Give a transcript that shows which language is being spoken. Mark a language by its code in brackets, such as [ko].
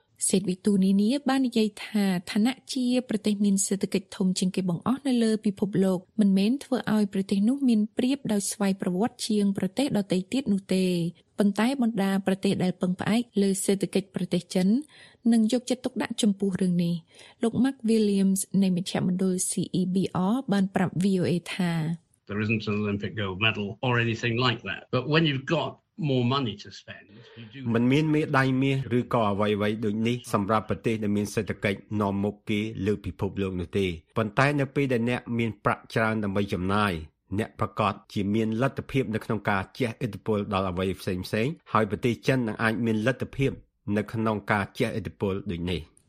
[km] សេដ្ឋវិទូនីនីបាននិយាយថាឋានៈជាប្រទេសមានសេដ្ឋកិច្ចធំជាងគេបង្អស់នៅលើពិភពលោកមិនមែនធ្វើឲ្យប្រទេសនោះមានប្រៀបដោយស្វ័យប្រវត្តិជាងប្រទេសដទៃទៀតនោះទេប៉ុន្តែបណ្ដាប្រទេសដែលពឹងផ្អែកលើសេដ្ឋកិច្ចប្រទេសចិននឹងយកចិត្តទុកដាក់ចំពោះរឿងនេះលោក Mark Williams នៃមជ្ឈមណ្ឌល CEBR បានប្រាប់ VOA ថា [en] There isn't an Olympic gold medal or anything like that but when you've got more money to spend [km] មិនមានមេដាយមាសឬក៏អ្វីៗដូចនេះសម្រាប់ប្រទេសដែលមានសេដ្ឋកិច្ចនាំមុខគេលើពិភពលោកនោះទេប៉ុន្តែនៅពេលដែលអ្នកមានប្រាក់ច្រើនដើម្បីចំណាយអ្នកប្រកាសជាមានលទ្ធភាពនៅក្នុងការជះឥទ្ធិពលដល់អ្វីផ្សេងៗហើយប្រទេសចិននឹងអាចមានលទ្ធភាពនៅក្នុងការជះឥទ្ធិពលដូចនេះ